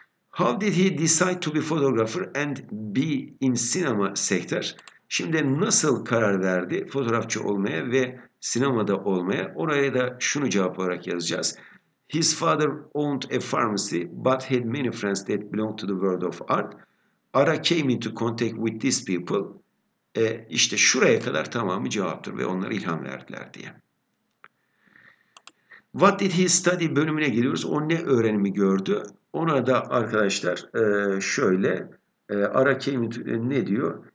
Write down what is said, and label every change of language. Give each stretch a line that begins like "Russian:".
English: How did he decide to be photographer and be in cinema sector?
Turkish: Şimdi nasıl karar verdi fotoğrafçı olmaya ve sinemada olmaya? Oraya da şunu cevap olarak yazacağız.
English: His father owned a pharmacy but had many friends that belonged to the world of art. Ara came into contact with these people.
Turkish: İşte şuraya kadar tamamı cevaptır ve onlara ilham verdiler diye.
English: What did he study
Turkish: bölümüne geliyoruz. O ne öğrenimi gördü? Ona da arkadaşlar şöyle,
English: Ara came into,
Turkish: ne diyor?